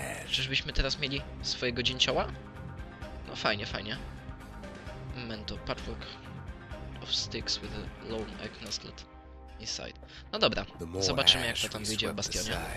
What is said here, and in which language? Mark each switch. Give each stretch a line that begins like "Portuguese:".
Polish: Czyżbyśmy teraz mieli swojego dzięcioła? No fajnie, fajnie.
English: Memento, patchwork of sticks with a lone egg nestled. Inside.
Polish: No dobra, zobaczymy jak to tam wyjdzie w bastionie.